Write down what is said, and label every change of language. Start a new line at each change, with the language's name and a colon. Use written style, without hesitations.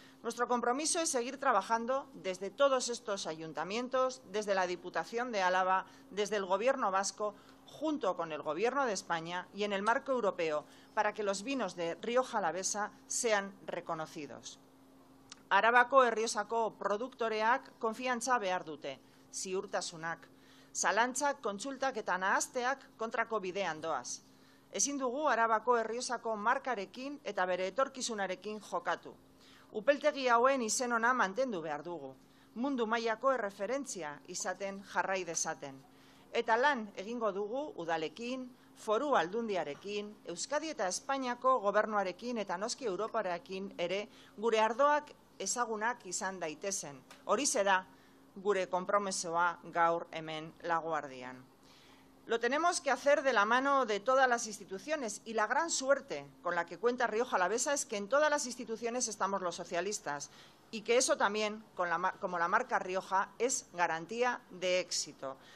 Spanish: Nuestro compromiso es seguir trabajando desde todos estos ayuntamientos, desde la Diputación de Álava, desde el Gobierno vasco, junto con el Gobierno de España y en el marco europeo, para que los vinos de Rioja Alavesa sean reconocidos.
Basque: Arabako Errioxako produktoreak konfiantza behar dute, ziurtasunak. Zalantzak, kontsultak eta nahasteak kontrako bidean doaz. Ezin dugu Arabako Errioxako markarekin eta bere etorkizunarekin jokatu. Upeltegi hauen izen ona mantendu behar dugu, mundu mailako erreferentzia izaten jarrai dezaten. Eta lan egingo dugu udalekin, foru aldundiarekin, Euskadi eta Espainiako gobernuarekin eta noski Europarekin ere gure ardoak ezagunak izan daitezen. Horixe da gure konpromesoa gaur hemen La Guardian.
Spanish: Lo tenemos que hacer de la mano de todas las instituciones, y la gran suerte con la que cuenta Rioja Alavesa es que en todas las instituciones estamos los socialistas, y que eso también, como la marca Rioja, es garantía de éxito.